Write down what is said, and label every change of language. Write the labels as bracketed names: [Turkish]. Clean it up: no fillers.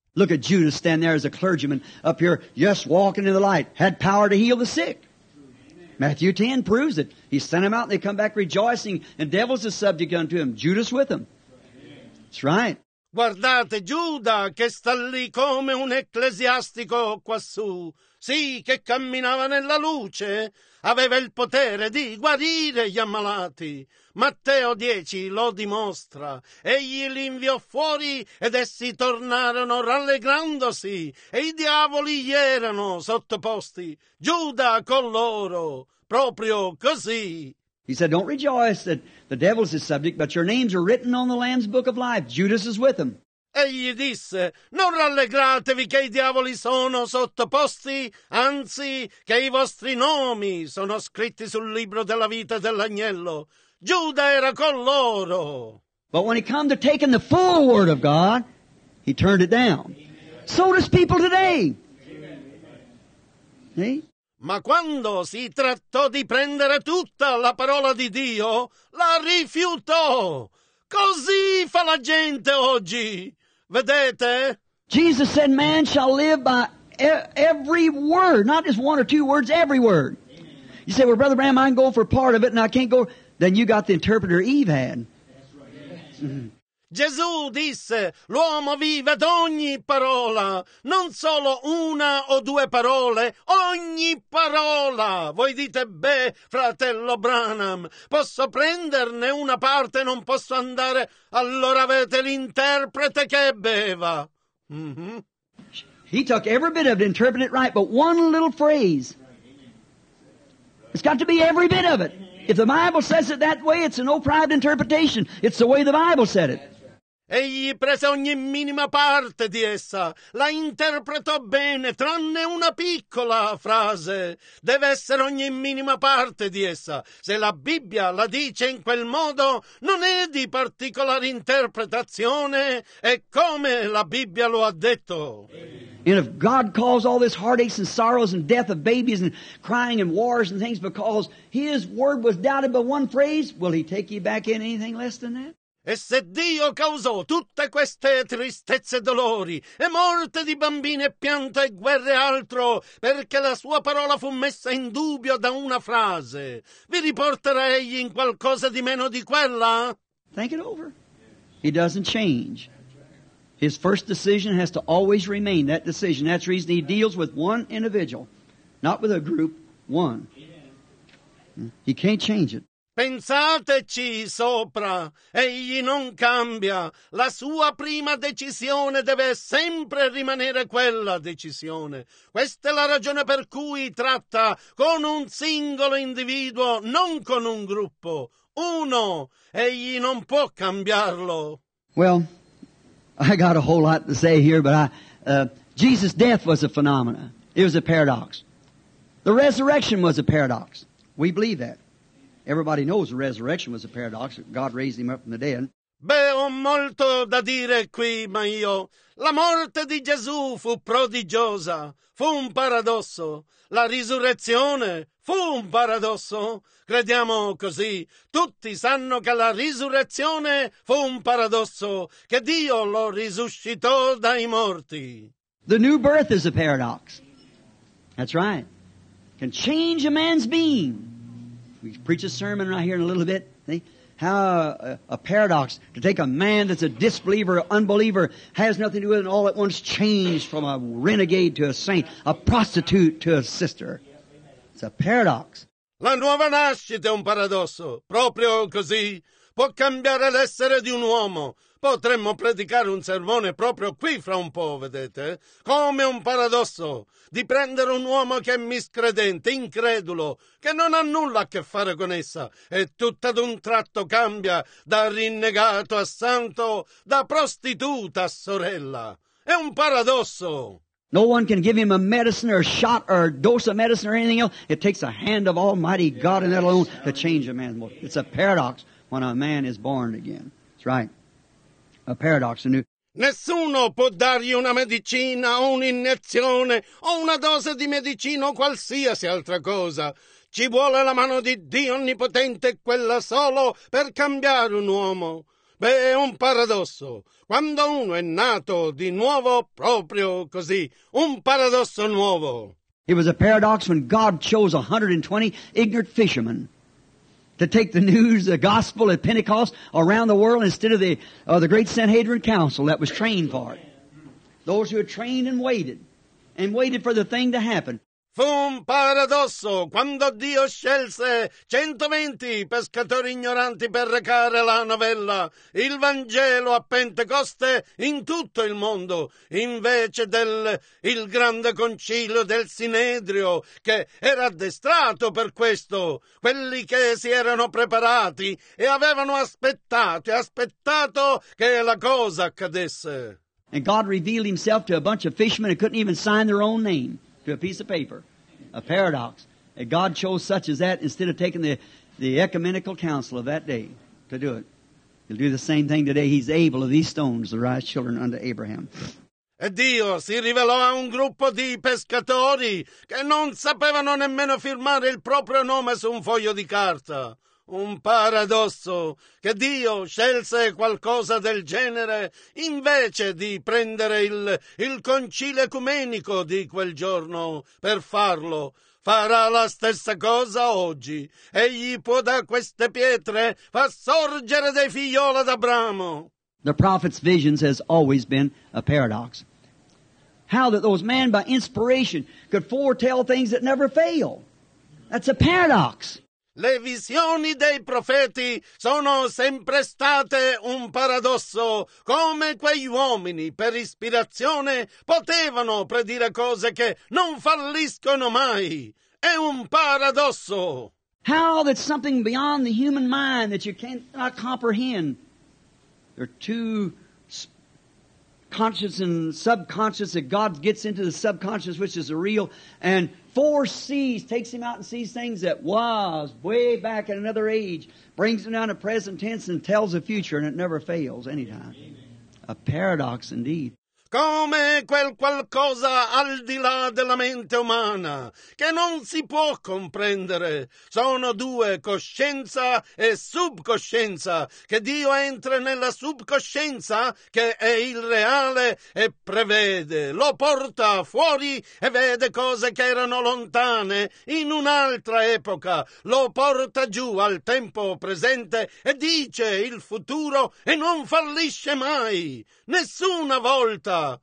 [English] Look at Judas stand there as a clergyman up here, just walking in the light, had power to heal the sick. Matthew 10 proves it. He sent them out and they come back rejoicing, and devils are subject unto him. Judas with him. That's right. [Italian] Guardate Giuda che sta lì come un ecclesiastico quassù. Sì, che camminava nella luce. Aveva il potere di guarire gli ammalati. Matteo 10 lo dimostra. Egli li inviò fuori ed essi tornarono rallegrandosi. E i diavoli gli erano sottoposti. Giuda con loro. Proprio così. [English] He said, don't rejoice that the devil's his subject, but your names are written on the Lamb's Book of Life. Judas is with him. [Italian] Egli disse, non rallegratevi che i diavoli sono sottoposti, anzi che i vostri nomi sono scritti sul libro della vita dell'agnello. Giuda era con loro. [English] But when he came to taking the full word of God, he turned it down. Amen. So does people today. Amen. See? [Italian] Ma quando si trattò di prendere tutta la parola di Dio, la rifiutò. Così fa la gente oggi. Vedete? [English] Jesus said man shall live by every word, not just one or two words, every word. Amen. You say, well, Brother Bram, I can go for part of it and I can't go. Then you got the interpreter Eve had. That's right. [Italian] Gesù disse, l'uomo vive ad ogni parola, non solo una o due parole, ogni parola. Voi dite, beh, fratello Branham, posso prenderne una parte, non posso andare, allora avete l'interprete che beva. Mm-hmm. [English] He took every bit of it, interpret it right, but one little phrase. It's got to be every bit of it. If the Bible says it that way, it's an old private interpretation. It's the way the Bible said it. [Italian] Egli prese ogni minima parte di essa, la interpretò bene, tranne una piccola frase. Deve essere ogni minima parte di essa. Se la Bibbia la dice in quel modo, non è di particolare interpretazione, è come la Bibbia lo ha detto. [English] And if God calls all this heartaches and sorrows and death of babies and crying and wars and things because His word was doubted by one phrase, will He take you back in anything less than that? [Italian] E se Dio causò tutte queste tristezze e dolori, e morte di bambini e pianto e guerre e altro, perché la sua parola fu messa in dubbio da una frase, vi riporterà egli in qualcosa di meno di quella? [English] Think it over. He doesn't change. His first decision has to always remain that decision. That's the reason he deals with one individual, not with a group, one. He can't change it. [Italian] Pensateci sopra, egli non cambia, la sua prima decisione deve sempre rimanere quella decisione. Questa è la ragione per cui tratta con un singolo individuo, non con un gruppo. Uno, egli non può cambiarlo. [English] Well, I got a whole lot to say here, but Jesus' death was a phenomenon. It was a paradox. The resurrection was a paradox. We believe that. Everybody knows the resurrection was a paradox. God raised him up from the dead. [Italian] Beh, ho molto da dire qui, ma io. La morte di Gesù fu prodigiosa. Fu un paradosso. La risurrezione fu un paradosso. Crediamo così. Tutti sanno che la risurrezione fu un paradosso. Che Dio lo risuscitò dai morti. [English] The new birth is a paradox. That's right. Can change a man's being. We preach a sermon right here in a little bit. See? How a paradox to take a man that's a disbeliever, unbeliever, has nothing to do with it, and all at once changed from a renegade to a saint, a prostitute to a sister. It's a paradox. [Italian] La nuova nascita è un paradosso. Proprio così. Può cambiare l'essere di un uomo. Potremmo predicare un sermone proprio qui fra un po', vedete? Come un paradosso di prendere un uomo che è miscredente, incredulo, che non ha nulla a che fare con essa, e tutto ad un tratto cambia da rinnegato a santo, da prostituta a sorella. È un paradosso! [English] No one can give him a medicine or a shot or a dose of medicine or anything else. It takes a hand of Almighty God and that alone to change a man's mind. It's a paradox when a man is born again. That's right. A paradox. [Italian] Nessuno può dargli una medicina o un'iniezione o una dose di medicina o qualsiasi altra cosa. Ci vuole la mano di Dio onnipotente, quella solo, per cambiare un uomo. Beh, è un paradosso. Quando uno è nato di nuovo, proprio così, un paradosso nuovo. [English] It was a paradox when God chose 120 ignorant fishermen to take the news, the gospel at Pentecost around the world instead of the great Sanhedrin council that was trained for it. Those who had trained and waited for the thing to happen. [Italian] Fu un paradosso quando Dio scelse 120 pescatori ignoranti per recare la novella, il Vangelo a Pentecoste in tutto il mondo, invece del grande concilio del Sinedrio che era addestrato per questo, quelli che si erano preparati e avevano aspettato e aspettato che la cosa accadesse. [English] And God revealed himself to a bunch of fishermen who couldn't even sign their own name to a piece of paper. A paradox. And God chose such as that instead of taking the ecumenical council of that day to do it. He'll do the same thing today. He's able of these stones to rise children unto Abraham. [Italian] E Dio si rivelò a un gruppo di pescatori che non sapevano nemmeno firmare il proprio nome su un foglio di carta. Un paradosso che Dio scelse qualcosa del genere invece di prendere il concilio ecumenico di quel giorno per farlo. Farà la stessa cosa oggi. Egli può da queste pietre far sorgere dei figlioli ad Abramo. [English] The prophet's visions has always been a paradox. How that those men by inspiration could foretell things that never fail. That's a paradox. [Italian] Le visioni dei profeti sono sempre state un paradosso, come quegli uomini per ispirazione potevano predire cose che non falliscono mai. È un paradosso. [English] How that something beyond the human mind that you cannot comprehend. There are two conscious and subconscious, that God gets into the subconscious, which is the real, and foresees, takes him out and sees things that was way back in another age, brings him down to present tense and tells the future, and it never fails anytime. A paradox indeed. [Italian] Come quel qualcosa al di là della mente umana, che non si può comprendere. Sono due, coscienza e subcoscienza, che Dio entra nella subcoscienza, che è il reale, e prevede, lo porta fuori e vede cose che erano lontane, in un'altra epoca, lo porta giù al tempo presente e dice il futuro e non fallisce mai, nessuna volta.